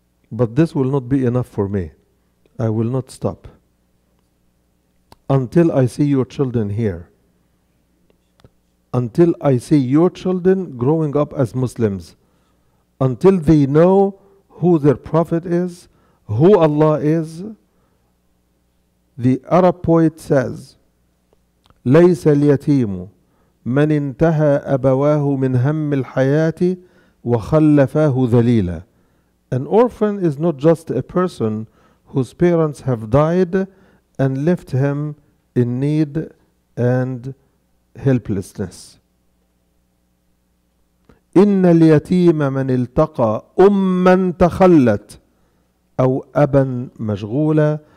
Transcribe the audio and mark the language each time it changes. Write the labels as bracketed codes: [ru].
[en] But this will not be enough for me. I will not stop until I see your children here. Until I see your children growing up as Muslims. Until they know who their prophet is, who Allah is. The Arab poet says, [ar] لَيْسَ الْيَتِيمُ مَنْ انْتَهَى أَبَوَاهُ مِنْ هَمِّ الْحَيَاةِ وَخَلَّفَاهُ ذَلِيلًا. [en] An orphan is not just a person whose parents have died and left him in need and helplessness. [ar] إِنَّ الْيَتِيمَ مَنْ الْتَقَى أُمَّا تَخَلَّتْ أَوْ أَبًا مَشْغُولًا